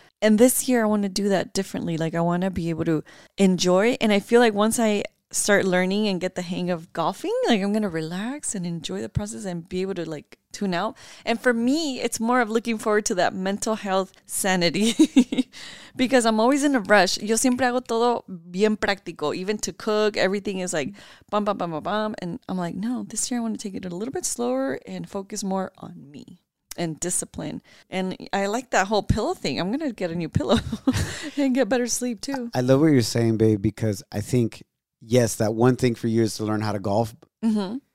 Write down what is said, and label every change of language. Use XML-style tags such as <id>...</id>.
<en>And this year, I want to do that differently. Like, I want to be able to enjoy. And I feel like once I start learning and get the hang of golfing, like, I'm going to relax and enjoy the process and be able to, like, tune out. And for me, it's more of looking forward to that mental health sanity because I'm always in a rush.</en> <es>Yo siempre hago todo bien práctico,</es> <en>even to cook. Everything is like, bam, bam, bam, bam, bam. And I'm like, no, this year, I want to take it a little bit slower and focus more on me. And discipline. And I like that whole pillow thing. I'm going to get a new pillow and get better sleep too. I love what you're saying, babe, because I think, yes, that one thing for you is to learn how to golf. Mm-hmm.</en>